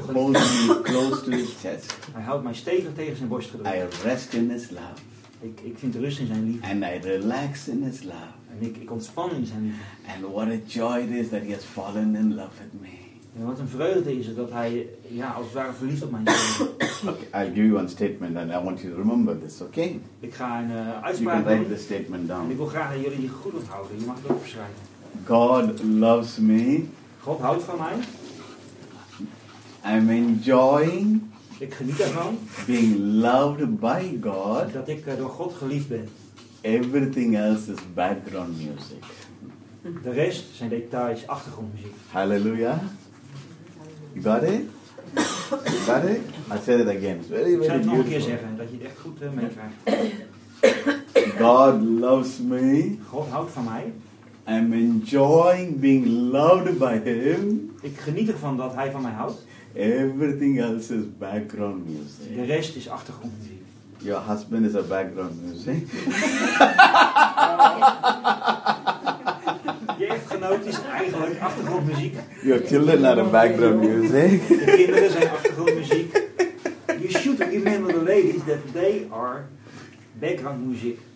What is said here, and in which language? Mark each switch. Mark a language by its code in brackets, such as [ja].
[nl] geliefd. [en] He holds me close to his chest. [nl] Hij houdt mij stevig tegen zijn borst gedrukt. [en] I rest in his love. [nl] Ik vind rust in zijn liefde. [en] And I relax in his love. [nl] En ik ontspan in zijn liefde. [en] And what a joy it is that he has fallen in love with me. [nl] En wat een vreugde is het dat hij, ja, als het ware verliefd op mij is. [en] Okay, I'll give you one statement and I want you to remember this, okay? [nl] Ik ga een uitspraak doen. [en] You can write the statement down. [nl] En ik wil graag dat jullie die goed onthouden. Je mag het opschrijven. [en] God loves me. [nl] God houdt van mij. [en] I'm enjoying. [nl] Ik geniet ervan. [en] Being loved by God. [nl] Dat ik door God geliefd ben. [en] Everything else is background music. [nl] De rest zijn details, achtergrondmuziek. [en] Hallelujah. You got it? You got it? I'll say it again. It's very, very beautiful. [nl] Ik zou het nog een keer zeggen, dat je het echt goed meekrijgt. [en] God loves me. [nl] God houdt van mij. [en] I'm enjoying being loved by him. [nl] Ik geniet ervan dat hij van mij houdt. [en] Everything else is background music. [nl] De rest is achtergrondmuziek. [en] Your husband is a background music. [nl] Je echtgenoot is eigenlijk achtergrondmuziek. [en] Your children are a background music. [nl] De kinderen zijn achtergrondmuziek. [en] You should remember the ladies that they are background music.